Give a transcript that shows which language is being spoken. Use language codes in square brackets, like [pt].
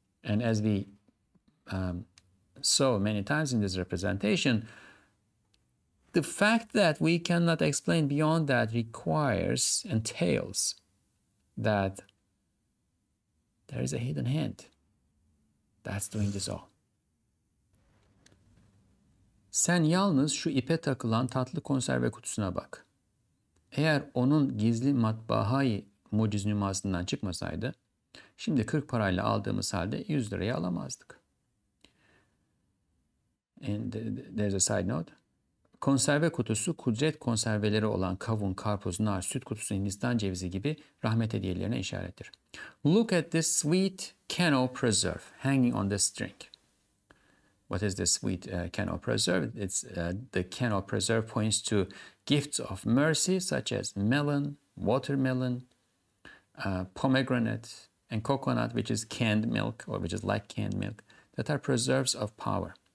[en] And as we saw many times in this representation, the fact that we cannot explain beyond that requires, entails, that there is a hidden hand that's doing this all. [tr] Sen yalnız şu ipe takılan tatlı konserve kutusuna bak. Eğer onun gizli matbahayı muciz nümasından çıkmasaydı, şimdi 40 parayla aldığımız halde 100 liraya alamazdık. [en] And there's a side note. [tr] Konserve kutusu, kudret konserveleri olan kavun, karpuz, nar, süt kutusu, Hindistan cevizi gibi rahmet hediyelerine işarettir. [en] Look at this sweet can of preserve hanging on the string. What is this sweet can of preserve? It's the can of preserve points to gifts of mercy such as melon, watermelon, pomegranate, and coconut, which is canned milk or which is like canned milk, that are preserves of power.